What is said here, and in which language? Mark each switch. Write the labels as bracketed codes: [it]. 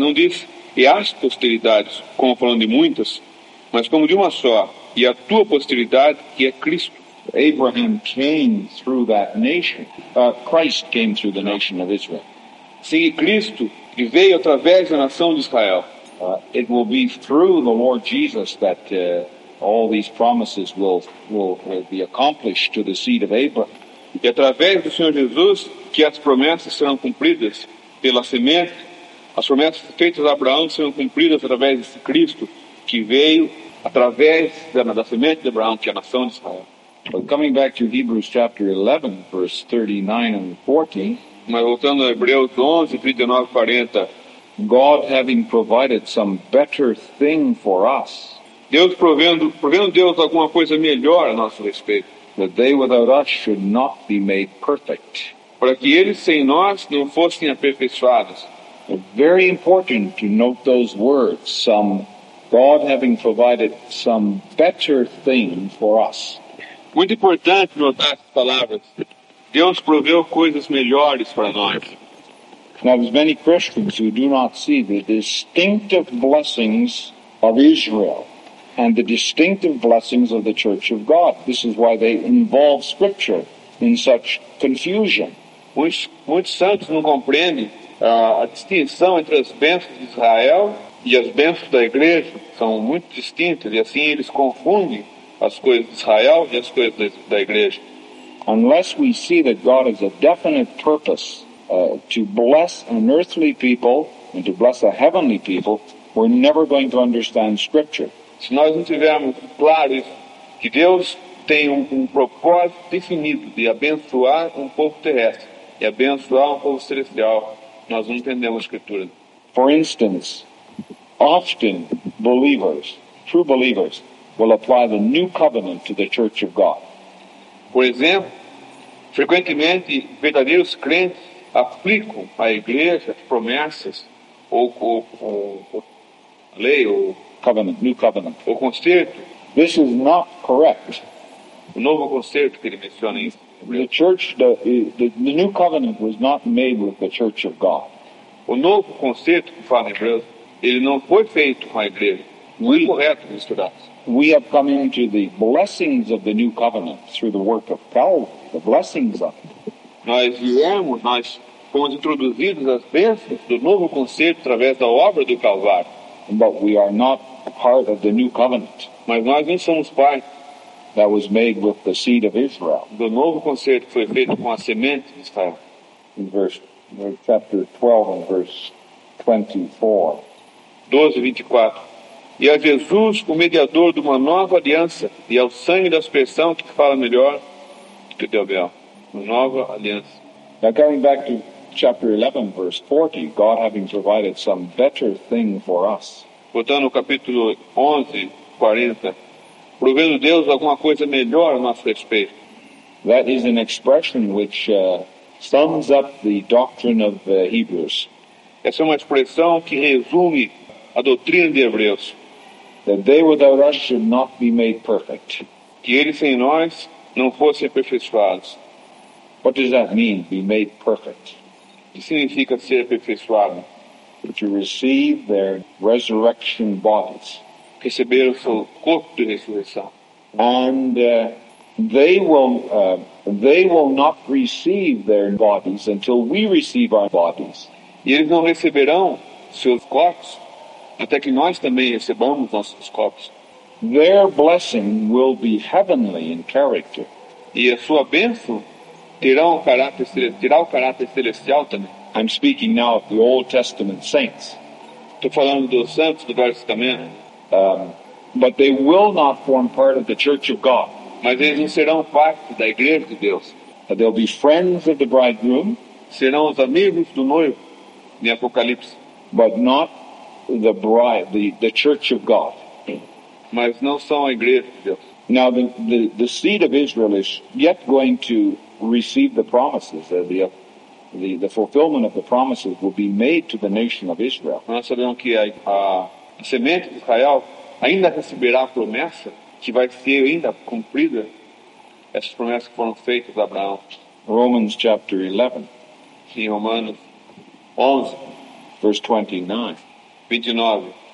[pt] Não diz, e as posteridades, como falando de muitas, mas como de uma só, e a tua posteridade, que é Cristo. [en] Abraham came through that nation. Christ came through the nation of Israel. [pt] Sim, Cristo veio através da nação de Israel. [en] It will be through the Lord Jesus that all these promises will be accomplished to the seed of Abraham. [pt] E através do Senhor Jesus que as promessas serão cumpridas pela semente. As promessas feitas a Abraão serão cumpridas através desse Cristo que veio através da semente de Abraão, que é a nação de Israel. [en] But coming back to Hebrews chapter 11, verse 39 and 40. [pt] Mas voltando a Hebreus 11, 39 e 40. [en] God having provided some better thing for us. [pt] Deus provendo Deus alguma coisa melhor a nosso respeito. [en] That they without us should not be made perfect. [pt] Para que eles sem nós não fossem aperfeiçoados. [en] It's very important to note those words. Some God having provided some better thing for us. [pt] Muito importante notar essas palavras. Deus proveu coisas melhores para nós. [en] Now, there's many Christians who do not see the distinctive blessings of Israel and the distinctive blessings of the Church of God. This is why they involve Scripture in such confusion. [pt] Muitos santos não compreendem a distinção entre as bênçãos de Israel e as bênçãos da Igreja. São muito distintas, e assim eles confundem as coisas de Israel e as coisas da Igreja. [en] Unless we see that God has a definite purpose to bless an earthly people and to bless a heavenly people, we're never going to understand Scripture. [pt] Se nós não tivermos claro isso, que Deus tem um propósito definido de abençoar povo terrestre e abençoar povo celestial, nós não entendemos a Escritura. [en] For instance, often believers, true believers, will apply the new covenant to the Church of God. [pt] Por exemplo, frequentemente, verdadeiros crentes aplicam à Igreja promessas ou lei ou [en] covenant, new covenant. [pt] O concerto. [en] This is not correct. [pt] O novo concerto que ele menciona isso. [en] The church, the new covenant was not made with the Church of God. [pt] O novo concerto que fala em Hebreus, ele não foi feito com a Igreja. Não é correto misturar. [en] We have come into the blessings of the new covenant through the work of Calvary, the blessings of it. [pt] Nós fomos introduzidos às bênçãos do novo concerto através da obra do Calvário. [en] But we are not part of the new covenant. [pt] Mas nós não somos parte. [en] That was made with the seed of Israel. [pt] Do novo concerto foi feito com a semente de Israel. [en] In verse chapter 12 and verse 24. [pt] 12:24. E a Jesus, o mediador de uma nova aliança, e ao sangue da expressão que fala melhor do que de Abel. Uma nova aliança. [en] Now going back to chapter 11, verse 40, God having provided some better thing for us. [pt] Voltando ao capítulo 11, 40, provendo Deus alguma coisa melhor a nosso respeito. [en] That is an expression which sums up the doctrine of Hebrews. [pt] Essa é uma expressão que resume a doutrina de Hebreus. [en] That they without us should not be made perfect. [pt] Que eles sem nós não fossem aperfeiçoados. [en] What does that mean, be made perfect? [pt] Que significa ser aperfeiçoado? [en] To receive their resurrection bodies. [pt] Receber o seu corpo de ressurreição. [en] And they will not receive their bodies until we receive our bodies. [pt] E eles não receberão seus corpos até que nós também recebamos nossos corpos. [en] Their blessing will be heavenly in character. [pt] E a sua bênção terá o caráter celestial também. [en] I'm speaking now of the Old Testament saints. [pt] Estou falando dos santos do Velho Testamento. [en] But they will not form part of the church of God. [pt] Mas eles não serão parte da igreja de Deus. [en] They'll be friends of the bridegroom. [pt] Serão os amigos do noivo. Em Apocalipse. [en] But not the bride, the church of God. [pt] Mas não são a igreja de Deus. [en] Now the seed of Israel is yet going to receive the promises. The fulfillment of the promises will be made to the nation of Israel. [pt] Nós sabemos que a semente de Israel ainda receberá a promessa que vai ser ainda cumprida, essas promessas que foram feitas a Abraão. [en] Romans chapter 11. [pt] Em Romanos 11. [en] Verse 29.